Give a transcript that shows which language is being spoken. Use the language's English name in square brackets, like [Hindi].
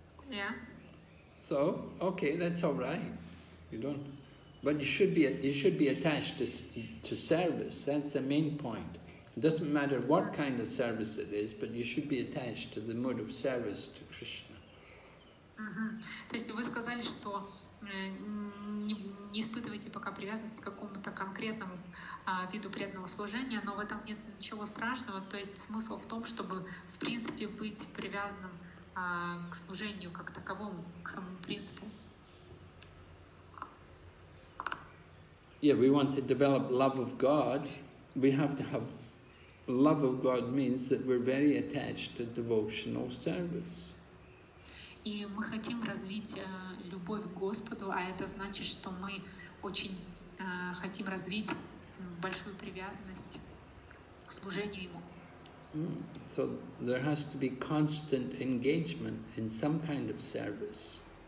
[English] Yeah. So okay, that's all right. But you should be attached to service. That's the main point. It doesn't matter what kind of service it is, but you should be attached to the mode of service to Krishna. [Russian] То есть вы сказали, что не испытываете пока привязанности к какому-то конкретному виду преданного служения, но в этом нет ничего страшного. То есть смысл в том, чтобы в принципе быть привязанным к служению как таковому, к самому принципу. [English] Yeah, we want to develop love of God. We have to have love of God means that we're very attached to devotional service. [Russian] И мы хотим развить любовь к Господу, а это значит, что мы очень хотим развить большую привязанность к служению Ему. [English] So there has to be constant engagement in some kind of service.